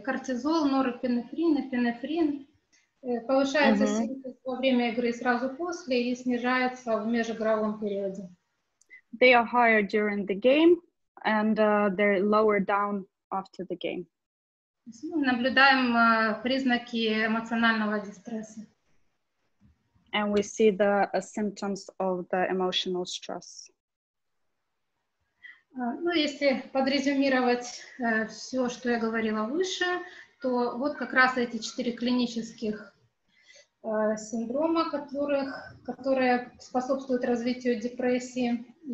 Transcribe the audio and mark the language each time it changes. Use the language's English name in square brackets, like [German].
[Russian] Кортизол, норадреналин, эпинефрин повышается во время игры и сразу после, и снижается в межигровом периоде. [English] They are higher during the game. and they're lower down after the game. [Russian] Наблюдаем признаки эмоционального дистресса. [English] And we see the symptoms of the emotional stress. [Russian] Ну, если подрезюмировать все, что я говорила выше, то вот как раз эти четыре клинических синдрома, которые способствуют развитию депрессии.